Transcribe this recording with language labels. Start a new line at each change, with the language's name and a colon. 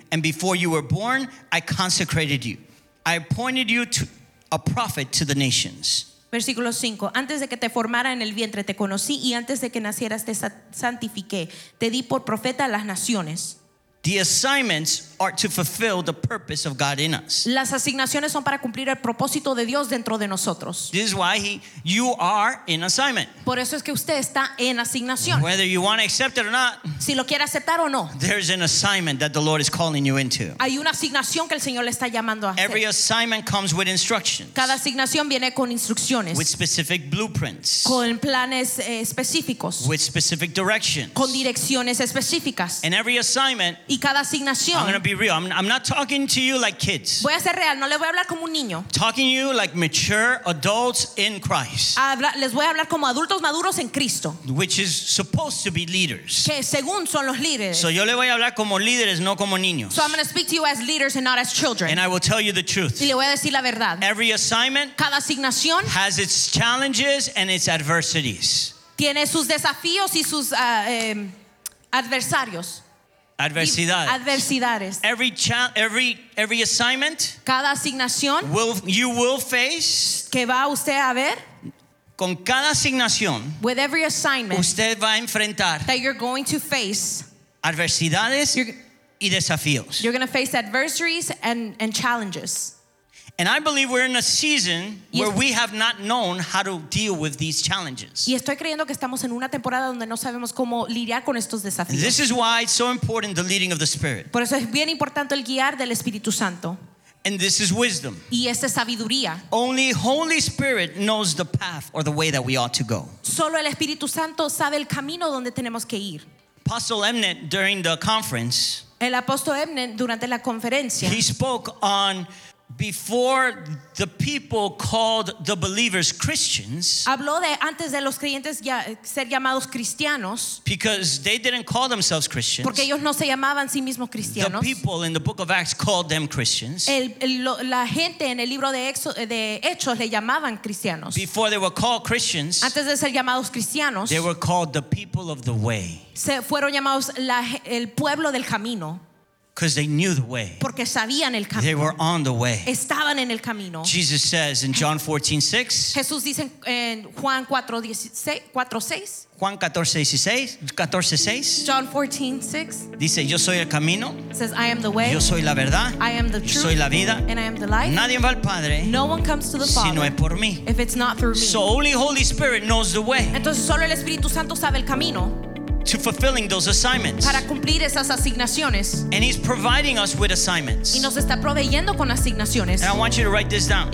English: And before you were born, I consecrated you. I appointed you to a prophet to the nations.
Spanish: Versículo 5, antes de que te formara en el vientre te conocí y antes de que nacieras te santifiqué. Te di por profeta a las naciones.
English: The assignments are to fulfill the purpose of God in us.
Spanish: Las asignaciones son para cumplir el propósito de Dios dentro de nosotros.
English: This is why you are in assignment.
Spanish: Por eso es que usted está en asignación.
English: Whether you want to accept it or not.
Spanish: Si lo quiere aceptar o no.
English: There's an assignment that the Lord is calling you into.
Spanish: Hay una asignación que el Señor le está llamando a hacer.
English: Every assignment comes with instructions.
Spanish: Cada asignación viene con instrucciones.
English: With specific blueprints.
Spanish: Con planes específicos.
English: With specific directions.
Spanish: Con direcciones específicas.
English: And every assignment.
Spanish: Y cada asignación.
English: I'm going to be real. I'm not talking to you like kids.
Spanish: Voy a ser real. No le voy a hablar como un niño.
English: Talking to you like mature adults in Christ.
Spanish: Les voy a hablar como adultos maduros en Cristo.
English: Which is supposed to be leaders.
Spanish: Que según son los líderes. So yo le voy a hablar como líderes, no como niños.
English: So I'm going to speak to you as leaders and not as children. And I will tell you the truth.
Spanish: Y le voy a decir la verdad.
English: Every assignment.
Spanish: Cada asignación.
English: Has its challenges and its adversities.
Spanish: Tiene sus desafíos y sus adversarios. Adversidades.
English: Every assignment.
Spanish: Cada asignación.
English: You will face.
Spanish: Que va usted a ver. Con cada asignación.
English: With every assignment.
Spanish: Usted va a enfrentar.
English: That you're going to face.
Spanish: Adversidades. Y desafíos.
English: You're going to face adversaries and challenges. And I believe we're in a season where we have not known how to deal with these challenges.
Spanish: Y estoy creyendo que estamos en una temporada donde no sabemos cómo lidiar con estos desafíos.
English: And this is why it's so important the leading of the Spirit.
Spanish: Por eso es bien importante el guiar del Espíritu Santo.
English: And this is wisdom.
Spanish: Y esta es sabiduría.
English: Only Holy Spirit knows the path or the way that we ought to go.
Spanish: Solo el Espíritu Santo sabe el camino donde tenemos que ir.
English: Apostle Emnet during the conference.
Spanish: El apóstol Emnet durante la conferencia.
English: He spoke on before the people called the believers Christians.
Spanish: Habló de antes de los creyentes ya ser llamados cristianos.
English: Because they didn't call themselves Christians.
Spanish: Porque ellos no se llamaban sí mismos cristianos.
English: The people in the book of Acts called them Christians.
Spanish: La gente en el libro de Hechos le llamaban cristianos.
English: Before they were called Christians.
Spanish: Antes de ser llamados cristianos.
English: They were called the people of the way.
Spanish: Se fueron llamados el pueblo del camino.
English: Because they knew the way.
Spanish: Porque sabían el camino.
English: They were on the way.
Spanish: Estaban en el camino.
English: Jesus says in John 14:6.
Spanish: Jesús dice en Juan 4:16. Juan 14:16.
English: John 14:6.
Spanish: Dice, yo soy el camino.
English: Says, I am the way.
Spanish: Yo soy la verdad.
English: I am the truth.
Spanish: Yo soy la vida.
English: And I am the life.
Spanish: Nadie va al Padre.
English: No one comes to the Father.
Spanish: Si no es por mí.
English: If it's not through me. So only Holy Spirit knows the way.
Spanish: Entonces solo el Espíritu Santo sabe el camino.
English: To fulfilling those assignments.
Spanish: Para cumplir esas asignaciones.
English: And he's providing us with assignments.
Spanish: Y nos está proveyendo con asignaciones.
English: And I want you to write this down.